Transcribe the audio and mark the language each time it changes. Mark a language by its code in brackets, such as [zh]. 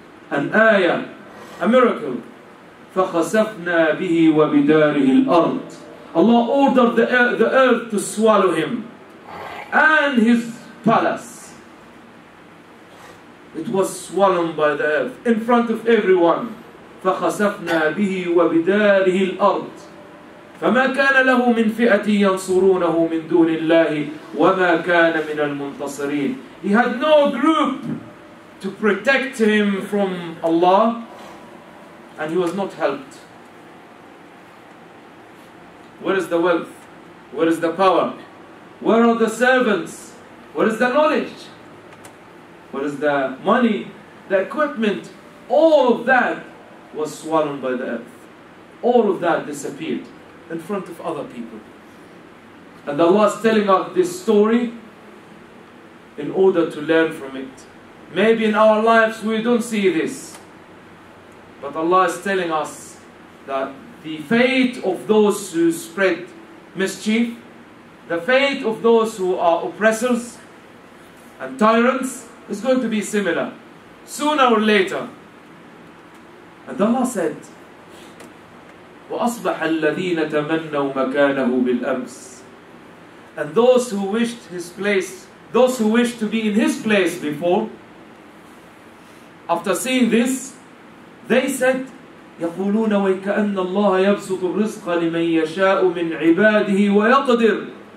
[en] An ayah, a miracle. [ar] فَخَسَفْنَا بِهِ وَبِدَارِهِ الْأَرْضِ [en] Allah ordered the earth to swallow him. And his palace. It was swallowed by the earth in front of everyone. [ar] فَخَسَفْنَا بِهِ وَبِدَارِهِ الْأَرْضِ فما كان له من فئة ينصرونه من دون الله وما كان من المنتصرين. [en] He had no group to protect him from Allah, and he was not helped. Where is the wealth? Where is the power? Where are the servants? Where is the knowledge? Where is the money? The equipment? All of that was swallowed by the earth. All of that disappeared in front of other people. And Allah is telling us this story in order to learn from it. Maybe in our lives we don't see this, but Allah is telling us that the fate of those who spread mischief, the fate of those who are oppressors and tyrants, is going to be similar, sooner or later. And Allah said, [ar] وَأَصْبَحَ الَّذِينَ تَمَنَّوا مَكَانَهُ بِالْأَمْسِ. [en] And those who wished his place, those who wished to be in his place before, after seeing this, they said, [ar] يَقُولُونَ وَيْكَأَنَّ اللَّهَ يَبْسُطُ الرِّزْقَ لِمَنْ يَشَاءُ مِنْ عِبَادِهِ وَيَقْدِرُ.